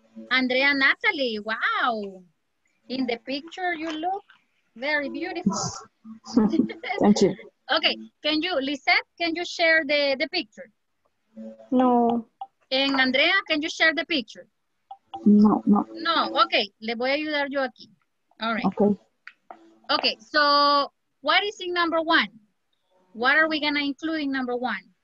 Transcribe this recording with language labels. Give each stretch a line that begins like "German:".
English: Andrea Natalie, wow. In the picture you look Very beautiful. Thank you. Okay, can you, Lisette, can you share the picture? No. And Andrea, can you share the picture? No.
Spanish: No, okay, le voy a ayudar yo aquí.
English: All right. Okay. Okay, so what is in number one? What are we gonna include in number one?